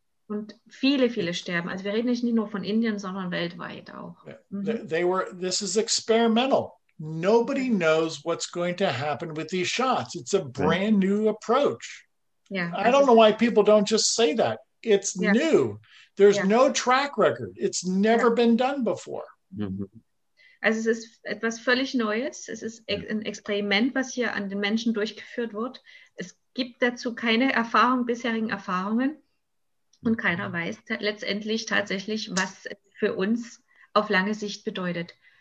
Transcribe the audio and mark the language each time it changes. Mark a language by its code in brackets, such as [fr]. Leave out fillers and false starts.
[de] Und viele, viele sterben. Also wir reden nicht nur von Indien, sondern weltweit auch. Mhm. [en] This is experimental. Nobody knows what's going to happen with these shots. It's a brand new approach. Yeah, I don't know why people don't just say that. It's new. There's no track record. It's never been done before. Mm-hmm. [de] Also es ist etwas völlig Neues. Es ist ein Experiment, was hier an den Menschen durchgeführt wird. Es gibt dazu keine Erfahrung, bisherigen Erfahrungen. Und keiner weiß letztendlich tatsächlich, was für uns auf lange Sicht bedeutet.